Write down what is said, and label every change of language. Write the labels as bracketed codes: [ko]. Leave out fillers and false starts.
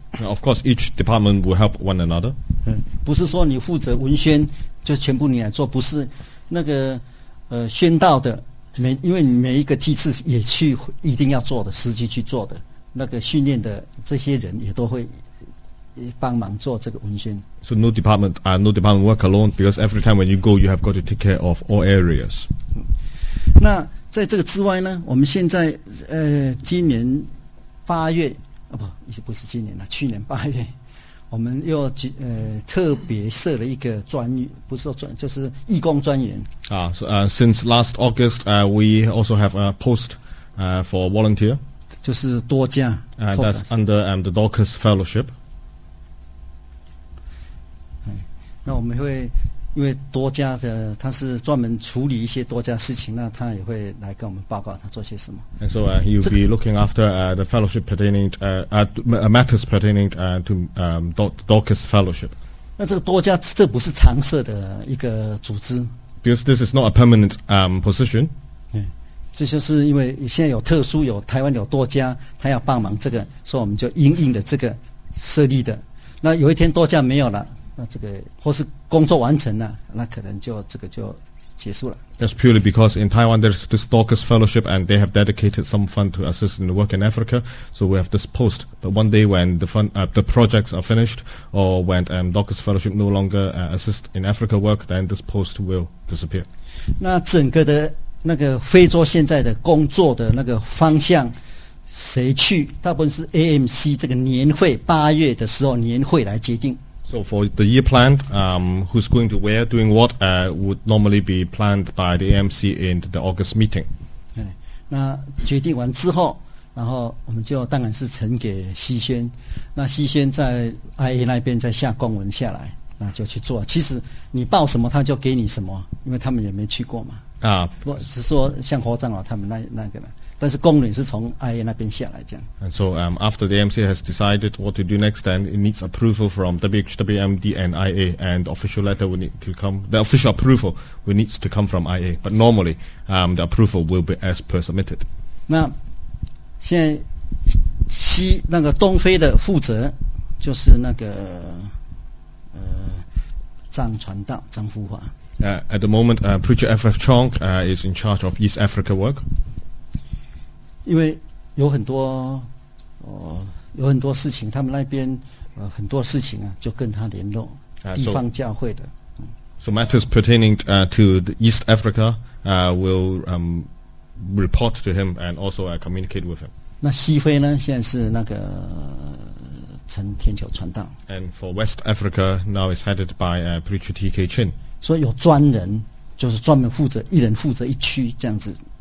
[en] Of course, each department will help one another. [zh] 不是说你负责文宣就全部你来做，不是那个宣道的每，因为每一个梯次也去一定要做的，实际去做的那个训练的这些人也都会帮忙做这个文宣。 [en] So no department work alone, because every time when you go, you have got to take care of all areas. [zh] 那在这个之外呢，我们现在今年八月啊，不，不是今年了，去年八月，我们又特别设了一个专，不是说专，就是义工专员。 [en] Since last August, we also have a post for volunteer. [zh] 就是多加。 [en] That's under the Dorcas Fellowship. [zh] 那我们会因为多加的他是专门处理一些多加事情，那他也会来跟我们报告他做些什么。 [en] And so you'll be looking after the fellowship pertaining to, matters pertaining to Dorcas Fellowship. [zh] 那这个多加这不是常设的一个组织。 [en] Because this is not a permanent position. [zh] 这就是因为现在有特殊有台湾有多加他要帮忙这个，所以我们就因应了这个设立的。那有一天多加没有了，那这个或是工作完成了，那可能就这个就结束了。 [en] That's purely because in Taiwan there's this Dorcas Fellowship and they have dedicated some fund to assist in the work in Africa, so we have this post. But one day when the fund, the projects are finished, or when Dorcas Fellowship no longer assist in Africa work, then this post will disappear. [zh] 那整个的那个非洲现在的工作的那个方向，谁去？大部分是 AMC 这个年会八月的时候年会来决定。 [en] So for the year planned, who's going to where, doing what, would normally be planned by the AMC in the August meeting. [zh] 那决定完之后，然后我们就当然是呈给西轩，那西轩在 IA 那边再下公文下来，那就去做。其实你报什么他就给你什么，因为他们也没去过嘛。不只说像侯长老他们那个呢，但是公文是从 IA 那边下来这样。 [en] And so after the MC has decided what to do next, then it needs approval from WHWMD and IA, and official letter will need to come. The official approval will need to come from IA, but normally the approval will be as per submitted. [zh] 那现在西那个东非的负责就是那个张传道张福华。 [en] At the moment, preacher FF Chong is in charge of East Africa work. [zh] 因为有很多有很多事情他们那边很多事情啊就跟他联络地方教会的。 [en] So matters pertaining to the East Africa will report to him and also communicate with him. [zh] 那西非呢现在是那个陈天球传道。 [en] And for West Africa now is headed by preacher TK Chin. [zh] 所以有专人就是专门负责一人负责一区这样子。